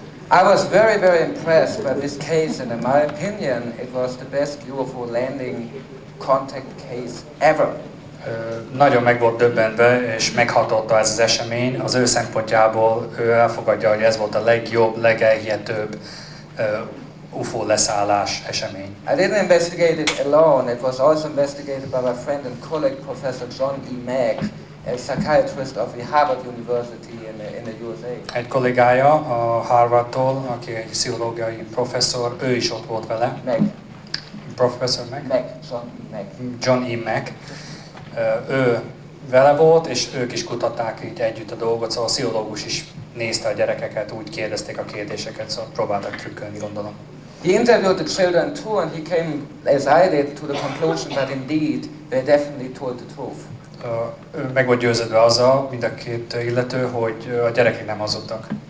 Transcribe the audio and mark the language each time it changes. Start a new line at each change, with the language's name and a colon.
English: I was very, very impressed by this case, and in my opinion, it was the best UFO landing contact case ever.
Hungarian: Nagyon meg volt döbbenve, és meghatotta ez az esemény. Az ő szempontjából ő elfogadja, hogy ez volt a legjobb, legelhihetőbb UFO leszállás esemény.
English: I didn't investigate it alone. It was also investigated by my friend and colleague, Professor John E. Mack, a psychiatrist of the Harvard University in the USA.
Hungarian: Egy kollégája a Harvardtól, aki egy pszichológiai professzor, ő is ott volt vele.
English: Mack. Professor Mack? Mack, John E. Mack. John E. Mack.
Hungarian: Ő vele volt, és ők is kutatták így együtt a dolgot, szóval a pszichológus is nézte a gyerekeket, úgy kérdezték a kérdéseket, szóval próbáltak trükkölni, gondolom.
English: He interviewed the children too, and he came, as I did, to the conclusion that indeed, they definitely told the truth.
Hungarian: Meg volt győződve azzal, mind a két illető, hogy a gyerekek nem hazudtak.